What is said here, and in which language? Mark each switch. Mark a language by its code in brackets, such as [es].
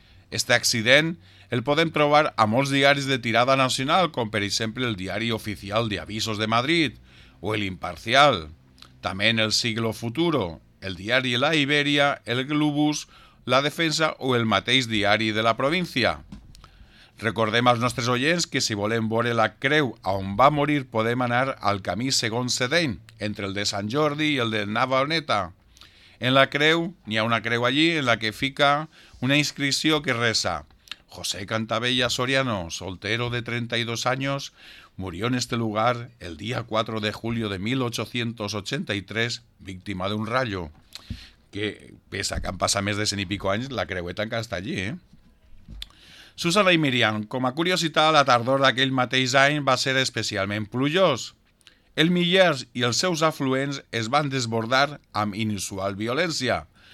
[ca] Este accident el podem trobar a molts diaris de tirada nacional, com per exemple el Diari Oficial d'Avisos de Madrid, o el Imparcial, també en el Siglo Futuro, el diari La Iberia, el Globus, La Defensa o el mateix diari de la província. Recordem als nostres oients que si volem veure la creu on va morir podem anar al camí segon sedeny, entre el de Sant Jordi i el de Navaoneta. En la creu, n'hi ha una creu allí en la que fica una inscripció que reza: [es] José Cantavella Soriano, soltero de 32 años, murió en este lugar el día 4 de julio de 1883, víctima de un rayo. [ca] Que, pese a que han passat més de 100 i pico anys, la creueta encara està allí, eh? Susana i Miriam, com a curiositat, la tardor d'aquell mateix any va ser especialment plujós. El Millers i els seus afluents es van desbordar amb inusual violència.